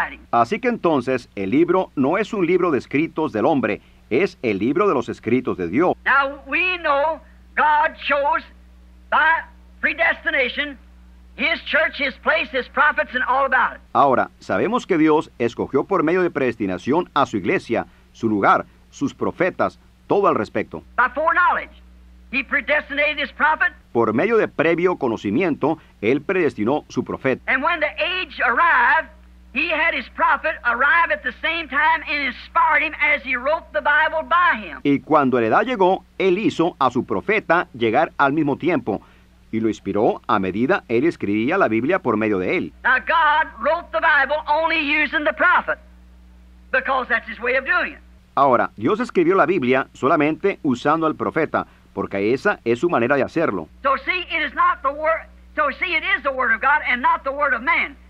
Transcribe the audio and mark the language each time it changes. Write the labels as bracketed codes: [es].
[es] Así que entonces, el libro no es un libro de escritos del hombre, es el libro de los escritos de Dios. [en] Now we know God chose by predestination his church, his place, his prophets and all about it. [es] Ahora, sabemos que Dios escogió por medio de predestinación a su iglesia, su lugar, sus profetas, todo al respecto. [en] By foreknowledge, he predestinated his prophet. [es] Por medio de previo conocimiento, él predestinó su profeta. [en] And when the age arrived, he had his prophet arrive at the same time and inspired him as he wrote the Bible by him. [es] Y cuando la edad llegó, él hizo a su profeta llegar al mismo tiempo y lo inspiró a medida él escribía la Biblia por medio de él. [en] Now God wrote the Bible only using the prophet because that's his way of doing it. [es] Ahora, Dios escribió la Biblia solamente usando al profeta porque esa es su manera de hacerlo. [en] So it is the word of God and not the word of man.